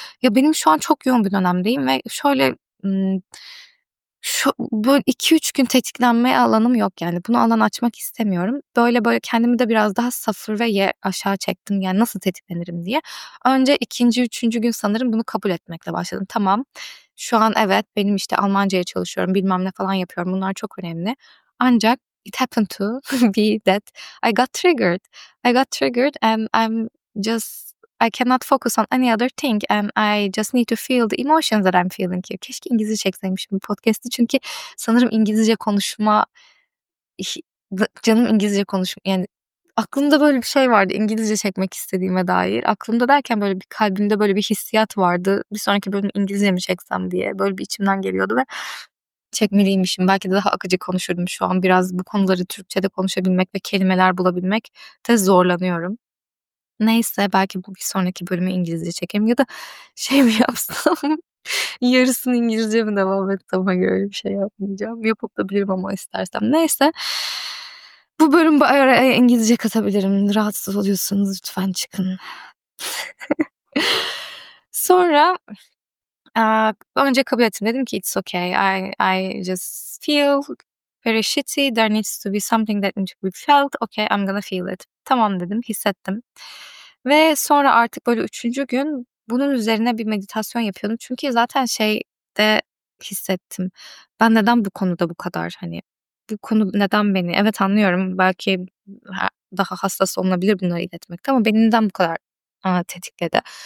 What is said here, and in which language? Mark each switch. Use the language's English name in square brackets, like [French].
[Turkish] Ya benim şu an çok yoğun bir dönemdeyim ve şöyle böyle 2-3 gün tetiklenmeye alanım yok yani. Bunu alan açmak istemiyorum. Böyle kendimi de biraz daha sıfır ve aşağı çektim. Yani nasıl tetiklenirim diye. Önce ikinci, üçüncü gün sanırım bunu kabul etmekle başladım. Tamam. Şu an evet benim işte Almanca'ya çalışıyorum. Bilmem ne falan yapıyorum. Bunlar çok önemli. [English] Ancak it happened to be that I got triggered and I cannot focus on any other thing and I just need to feel the emotions that I'm feeling here. [Turkish] Keşke İngilizce çekseymişim bu podcast'ı çünkü sanırım İngilizce konuşma canım İngilizce konuşma yani aklımda böyle bir şey vardı İngilizce çekmek istediğime dair. Aklımda derken böyle bir kalbimde böyle bir hissiyat vardı. Bir sonraki bölüm İngilizce mi çeksem diye böyle bir içimden geliyordu ve çekmeliymişim. Belki de daha akıcı konuşurdum şu an. Biraz bu konuları Türkçe'de konuşabilmek ve kelimeler bulabilmek de zorlanıyorum. Neyse belki bu bir sonraki bölümü İngilizce çekerim ya da şey mi yapsam yarısını İngilizce mi devam etsem ama öyle bir şey yapmayacağım. Yapıp da bilirim ama istersem. Neyse bu bölüm bu araya İngilizce katabilirim. Rahatsız oluyorsunuz lütfen çıkın. Sonra önce kabul ettim dedim ki [English] it's okay I just feel very shitty. There needs to be something that needs to be felt. Okay, I'm gonna feel it. [Turkish] Tamam dedim, hissettim. Ve sonra artık böyle üçüncü gün bunun üzerine bir meditasyon yapıyordum. Çünkü zaten şey de hissettim. Ben neden bu konuda bu kadar hani bu konu neden beni? Evet anlıyorum. Belki daha hassas olunabilir bunları iletmekte ama beni neden bu kadar tetikledi?